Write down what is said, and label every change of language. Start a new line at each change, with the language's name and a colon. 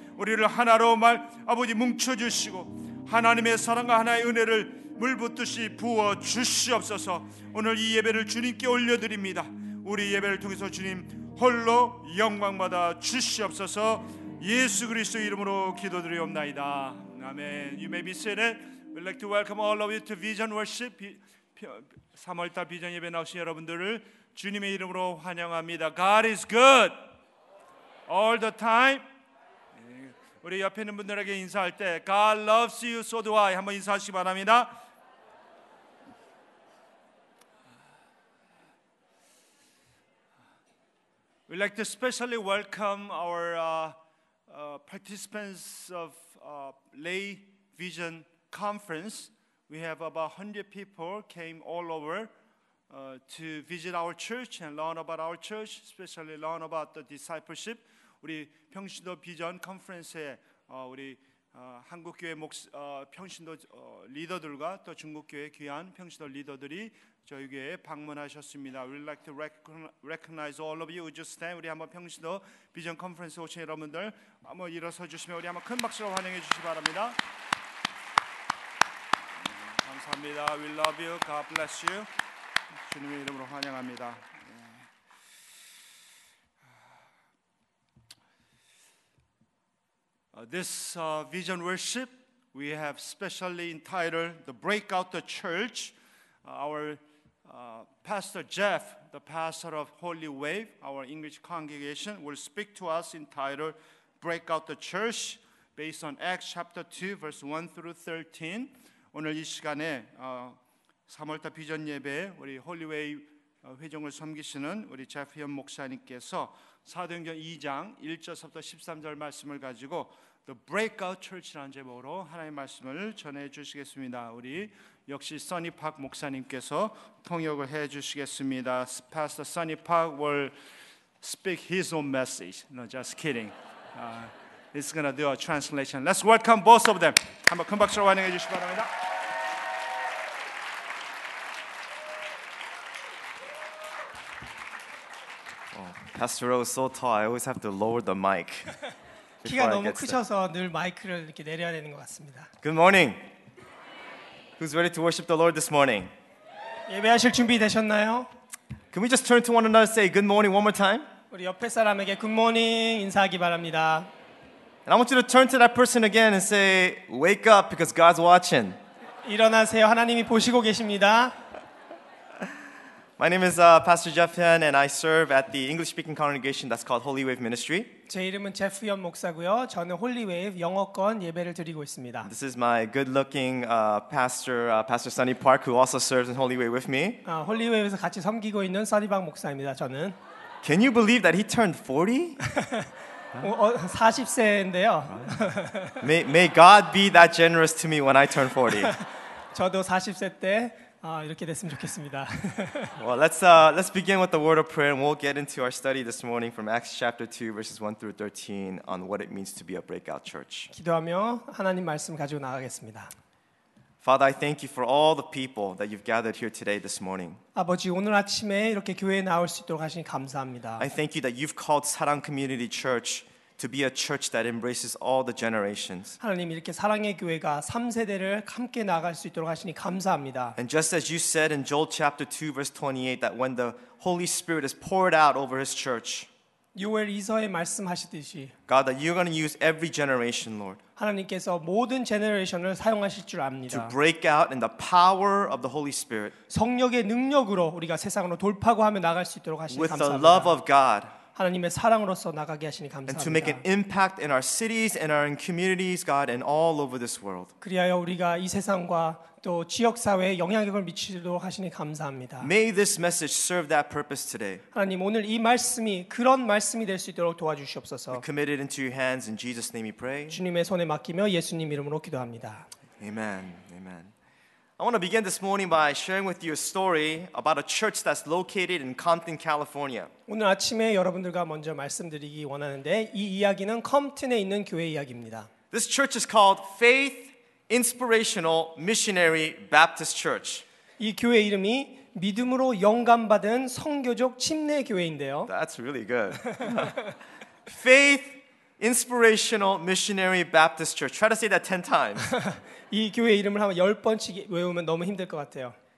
Korean: 우리를 하나로 말 아버지 뭉쳐 주시고 하나님의 사랑과 하나의 은혜를 물붓듯이 부어 주시옵소서. 오늘 이 예배를 주님께 올려드립니다. 우리 예배를 통해서 주님 홀로 영광받아 주시옵소서. 예수 그리스도 이름으로 기도드리옵나이다.
English: 아멘. You may be seated. We'd like to welcome all of you to Vision Worship.
Korean: 3월달 비전 예배 나오신 여러분들을 주님의 이름으로 환영합니다.
English: God is good all the time.
Korean: 우리 옆에 있는 분들에게 인사할 때
English: God loves you, so do I.
Korean: 한번 인사하시기 바랍니다.
English: 우리 like to specially welcome our participants of Lay Vision Conference. We have about 100 people came all over to visit our church and learn about our church, especially learn about the discipleship.
Korean: 우리 평신도 비전 컨퍼런스에 우리 한국 교회 평신도 리더들과 또 중국 교회 귀한 평신도 리더들이 저희 교회에 방문하셨습니다.
English: We'd like to recognize all of you. Would you stand?
Korean: 우리 한번 평신도 비전 컨퍼런스 오신 여러분들 한번 일어서 주시면 우리 한번 큰 박수로 환영해 주시기 바랍니다. 감사합니다.
English: We love you. God bless you.
Korean: 주님의 이름으로 환영합니다. 네.
English: This vision worship we have specially entitled The Breakout the Church. Our Pastor Jeff, the pastor of Holy Wave, our English congregation, will speak to us entitled Breakout the Church based on Acts chapter 2 verse 1 through 13.
Korean: 오늘 이 시간에 3월달 비전 예배 우리 홀리웨이 회중을 섬기시는 우리 제프현 목사님께서 사도행전 2장 1절부터 13절 말씀을 가지고 The Breakout Church라는 제목으로 하나님의 말씀을 전해 주시겠습니다. 우리 역시 써니 팍 목사님께서 통역을 해 주시겠습니다.
English: Pastor Sunny Park will speak his own message. No, just kidding. He's going to do a translation. Let's welcome both of them.
Korean: 한번 큰 박수로 환영해 주시기 바랍니다.
English: Pastor Rose is so tall. I always have to lower the mic.
Korean: 키가 너무 크셔서 늘 마이크를 이렇게 내려야 되는 것 같습니다.
English: Good morning. Who's ready to worship the Lord this morning?
Korean: 예배하실 준비 되셨나요?
English: Can we just turn to one another and say good morning one more time?
Korean: 우리 옆에 사람에게
English: good morning
Korean: 인사하기 바랍니다.
English: And I want you to turn to that person again and say wake up because God's watching.
Korean: 일어나세요. 하나님이 보시고 계십니다.
English: My name is Pastor Jeff Hyun, and I serve at the English-speaking congregation that's called Holy Wave Ministry.
Korean: 제 이름은 제프 현 목사고요. 저는 Holy Wave 영어권 예배를 드리고 있습니다.
English: This is my good-looking Pastor Sunny Park, who also serves in Holy Wave with me.
Korean: Holy Wave에서 같이 섬기고 있는 Sunny Park 목사입니다. 저는.
English: Can you believe that he turned 40?
Korean: 40세인데요.
English: may God be that generous to me when I turn 40.
Korean: 저도 40세 때. 이렇게 됐으면 좋겠습니다.
English: Well, let's begin with the word of prayer, and we'll get into our study this morning from Acts chapter 2, verses 1 through 13, on what it means to be a breakout church.
Korean: 기도하며 하나님 말씀 가지고 나가겠습니다.
English: Father, I thank you for all the people that you've gathered here today this morning.
Korean: 아버지, 오늘 아침에 이렇게 교회에 나올 수 있도록 하시니 감사합니다.
English: I thank you that you've called 사랑 Community Church to be a church that embraces all the generations.
Korean: 하나님, 이렇게 사랑의 교회가 3세대를 함께 나갈 수 있도록 하시니 감사합니다.
English: And just as you said in Joel chapter 2 verse 28 that when the Holy Spirit is poured out over his church,
Korean: 요엘 2서에 말씀하시듯이
English: God, that you're going to use every generation, Lord.
Korean: 하나님께서 모든 제너레이션을 사용하실 줄 압니다.
English: To break out in the power of the Holy Spirit.
Korean: 성령의 능력으로 우리가 세상으로 돌파하며 나갈 수 있도록 하시니
English: With
Korean: 감사합니다.
English: With the love of God.
Korean: 하나님의 사랑으로서 나가게 하시니 감사합니다.
English: And to make an impact in our cities and our communities, God, and all over this world.
Korean: 그리하여 우리가 이 세상과 또 지역 사회에 영향력을 미치도록 하시니 감사합니다.
English: May this message serve that purpose today.
Korean: 하나님 오늘 이 말씀이 그런 말씀이 될 수 있도록 도와주시옵소서.
English: We commit it into your hands in Jesus' name we pray.
Korean: 주님의 손에 맡기며 예수님 이름으로 기도합니다.
English: Amen. Amen. I want to begin this morning by sharing with you a story about a church that's located in Compton, California.
Korean: 오늘 아침에 여러분들과 먼저 말씀드리기 원하는데 이 이야기는 컴튼에 있는 교회 이야기입니다.
English: This church is called Faith Inspirational Missionary Baptist Church.
Korean: 이 교회 이름이 믿음으로 영감받은 선교적 침례 교회인데요.
English: That's really good. Faith Inspirational Missionary Baptist Church. Try to say that 10 times.
Korean: 이 교회 이름을 한 10번씩 외우면 너무 힘들 것 같아요.